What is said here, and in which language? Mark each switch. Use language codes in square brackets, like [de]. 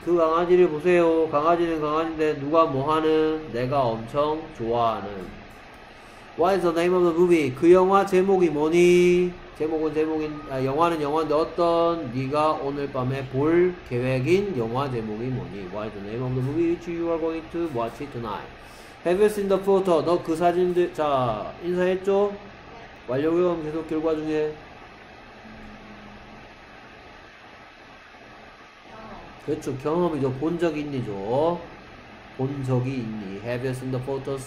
[ko] 그 강아지를 보세요. 강아지는 강아지인데 누가 뭐하는? 내가 엄청 좋아하는. [en] What is the name of the movie? [ko] 그 영화 제목이 뭐니? 제목은 제목인 아, 영화는 영화인데 어떤 네가 오늘 밤에 볼 계획인 영화 제목이 뭐니? [en] What is the name of the movie which you are going to watch tonight? Have you seen the photo? [ko] 너 그 사진들 자 인사했죠? 완료형 계속 결과 중에. 그렇죠. 경험이죠. 본 적이 있니죠. 본 적이 있니. [en] Have you seen the photos?